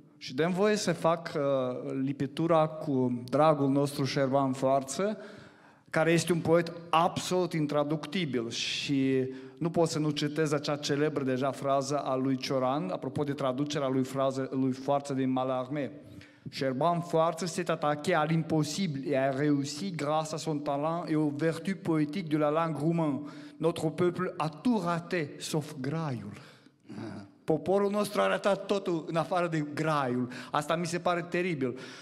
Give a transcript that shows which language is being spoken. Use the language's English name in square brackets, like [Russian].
[Romanian] Și dăm voie să fac lipitura cu dragul nostru Șervan Foarță, care este un poet absolut intraductibil și nu pot să nu citez acea celebră deja frază a lui Cioran, apropo de traducerea lui frază lui Foarță din Mallarmé. [French] Șervan Foarță s-est attaqué à l'impossible et a réussi grâce à son talent et aux vertus poétiques de la langue roumaine. Notre peuple a tout raté sauf graiul. [Romanian] Poporul nostru a ratat totul în afară de graiul. Asta mi se pare teribil.